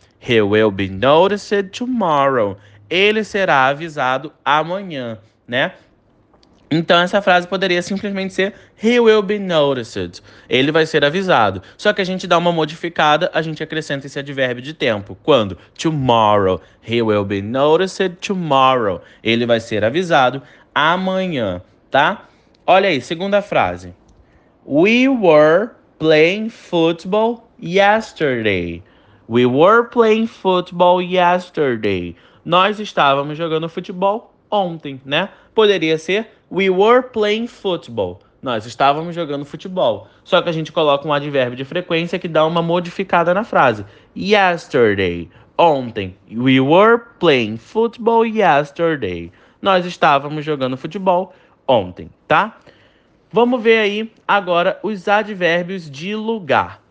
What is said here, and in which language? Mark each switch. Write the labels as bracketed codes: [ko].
[en] He will be noticed tomorrow. [pt] Ele será avisado amanhã, né? Então essa frase poderia simplesmente ser [en] He will be noticed. [pt] Ele vai ser avisado. Só que a gente dá uma modificada, a gente acrescenta esse advérbio de tempo. Quando? Tomorrow. [en] He will be noticed tomorrow. [pt] Ele vai ser avisado amanhã, tá? Olha aí, segunda frase. [en] We were playing football yesterday. We were playing football yesterday. [pt] Nós estávamos jogando futebol ontem, né? Poderia ser [en] We were playing football. [pt] Nós estávamos jogando futebol. Só que a gente coloca um advérbio de frequência que dá uma modificada na frase. [en] Yesterday, ontem. We were playing football yesterday. [pt] Nós estávamos jogando futebol ontem, tá? Vamos ver aí agora os advérbios de lugar.